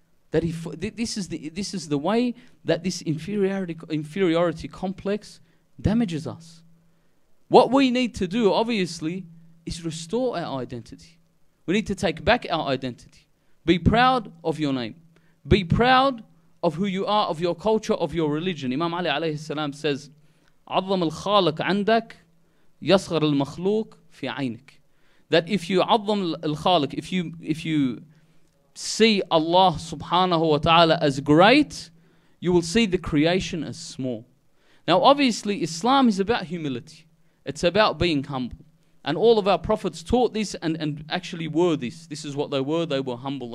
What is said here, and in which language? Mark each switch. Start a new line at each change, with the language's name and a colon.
English: That this is the way that this inferiority complex damages us. What we need to do, obviously, is restore our identity. We need to take back our identity. Be proud of your name. Be proud of who you are, of your culture, of your religion. Imam Ali alayhi salam says,
Arabic: عظم الخالق عندك يصغر المخلوق في عينك.
English: That if you
Arabic: عظم الخالق,
English: if you see Allah subhanahu wa ta'ala as great, you will see the creation as small. Now obviously Islam is about humility. It's about being humble. And all of our prophets taught this and actually were this. This is what they were. They were humble.